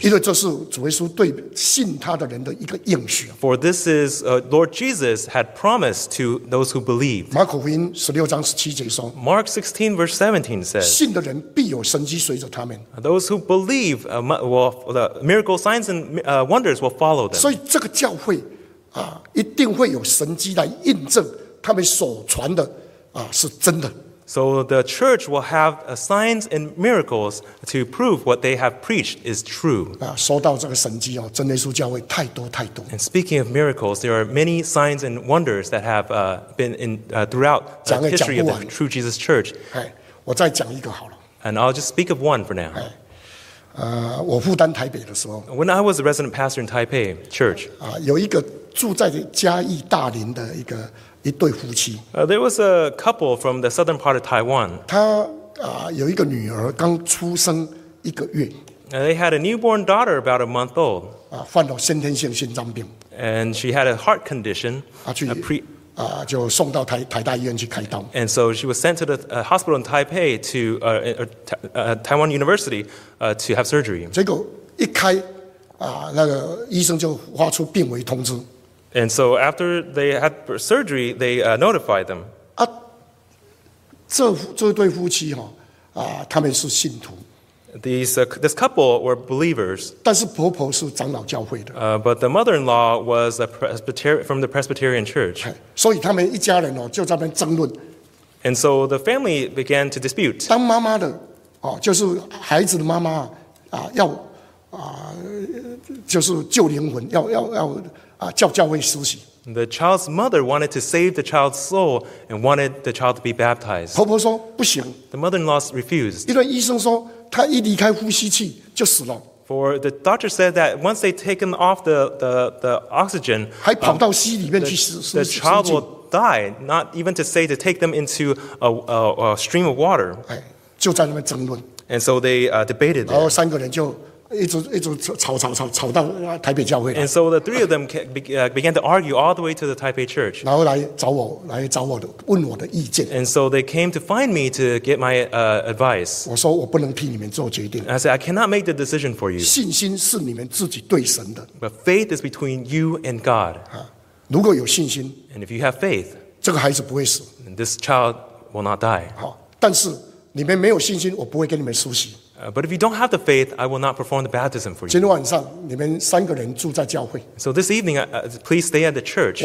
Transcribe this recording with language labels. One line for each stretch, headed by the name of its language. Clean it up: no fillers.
Chinese: 因为这是主耶稣对信他的人的一个应许。
English: For this is Lord Jesus had promised to those who believed.
Chinese: 马可福音十六章十七节说,
English: Mark 16 verse 17 says,
Chinese: 信的人必有神迹随着他们。
English: Those who believe, the miracle signs and wonders will follow them.
Chinese: 所以这个教会一定会有神迹来印证他们所传的是真的。
English: So the church will have signs and miracles to prove what they have preached is true.
Chinese: 说到这个神迹哦，真耶稣教会太多太多。
English: And speaking of miracles, there are many signs and wonders that have been in throughout the history of the True Jesus Church.
Chinese: 我再讲一个好了。
English: And I'll just speak of one for now.
Chinese: 我负担台北的时候。
English: When I was a resident pastor in Taipei Church.
Chinese: 有一个住在嘉义大林的一个。一对夫妻。
English: There was a couple from the southern part of Taiwan.
Chinese: 他有一个女儿刚出生一个月。
English: They had a newborn daughter about a month old.
Chinese: 患了先天性心脏病。
English: And she had a heart condition.
Chinese: 就送到台大医院去开刀。
English: And so she was sent to the hospital in Taipei to Taiwan University to have surgery.
Chinese: 结果一开那个医生就发出病危通知。
English: And so after they had surgery, they notified them.
Chinese: 这对夫妻他们是信徒。
English: This couple were believers.
Chinese: 但是婆婆是长老教会的。
English: But the mother-in-law was from the Presbyterian Church.
Chinese: 所以他们一家人就在那边争论。
English: And so the family began to dispute.
Chinese: 当妈妈的就是孩子的妈妈要就是救灵魂要叫教会施洗。
English: The child's mother wanted to save the child's soul and wanted the child to be baptized.
Chinese: 婆婆说不行。
English: The mother-in-law refused.
Chinese: 因为医生说他一离开呼吸器就死了。
English: For the doctor said that once they taken off the oxygen,
Chinese: 还跑到溪里面去施洗。
English: The child will die, not even to say to take them into a stream of water.
Chinese: 就在那边争论。
English: And so they debated.
Chinese: 然后三个人就。一直吵到台北教会。
English: And so the three of them began to argue all the way to the Taipei Church.
Chinese: 然后来找我的问我的意见。
English: And so they came to find me to get my advice.
Chinese: 我说我不能替你们做决定。
English: And I said I cannot make the decision for you.
Chinese: 信心是你们自己对神的。
English: But faith is between you and God.
Chinese: 如果有信心。
English: And if you have faith.
Chinese: 这个孩子不会死。
English: And this child will not die.
Chinese: 但是你们没有信心，我不会给你们施洗。
English: But if you don't have the faith, I will not perform the baptism for you.
Chinese: 今天晚上你们三个人住在教会。
English: So this evening, please stay at the church.